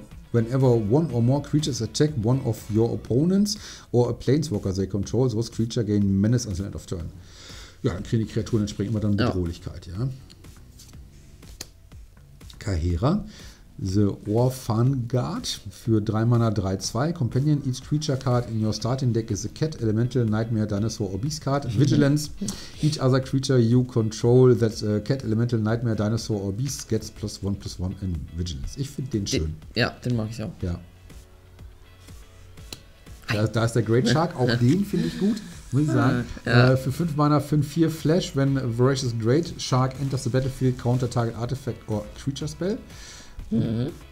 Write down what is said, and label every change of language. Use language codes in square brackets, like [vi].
[en] Whenever one or more creatures attack one of your opponents or a planeswalker they control, those creatures gain menace until end of turn. [de] Ja, dann kriegen die Kreaturen entsprechend immer dann Bedrohlichkeit, ja. Kahera, the Orphan Guard für 3 Mana 3-2. [en] Companion, each creature card in your starting deck is a cat, elemental, nightmare, dinosaur or beast card. Vigilance, each other creature you control that's a cat, elemental, nightmare, dinosaur or beast gets plus one in Vigilance. [de] Ich finde den schön. Ja, den mag ich auch. Ja. Da ist der Great Shark, auch den finde ich gut. Muss ich sagen. Ja. Für 5 Mana [en] 5-4 Flash, when Voracious Great Shark enters the battlefield, counter target artifact or creature spell. Mhm.